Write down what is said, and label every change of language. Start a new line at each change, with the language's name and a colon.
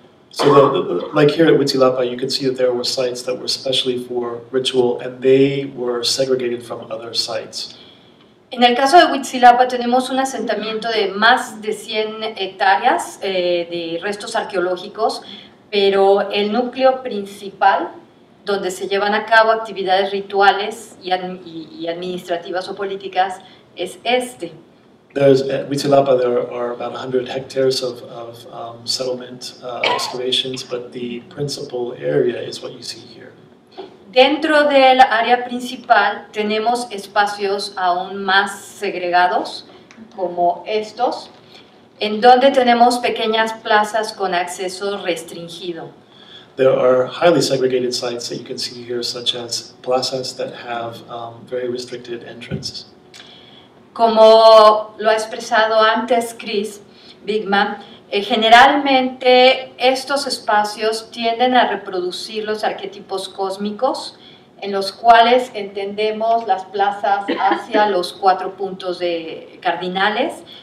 English: So like here at Huitzilapa, you can see that there were sites that were specially for ritual and they were segregated from other sites.
Spanish: En el caso de Huitzilapa tenemos un asentamiento de más de 100 hectáreas de restos arqueológicos, pero el núcleo principal donde se llevan a cabo actividades rituales y administrativas o políticas es este.
English: There's, at Huitzilapa, there are about 100 hectares of settlement excavations, but the principal area is what you see here.
Spanish: Dentro del área principal tenemos espacios aún más segregados, como estos, en donde tenemos pequeñas plazas con acceso restringido.
English: There are highly segregated sites that you can see here, such as plazas that have very restricted entrances.
Spanish: Como lo ha expresado antes Chris Beekman, generalmente estos espacios tienden a reproducir los arquetipos cósmicos en los cuales entendemos las plazas hacia los cuatro puntos de cardinales.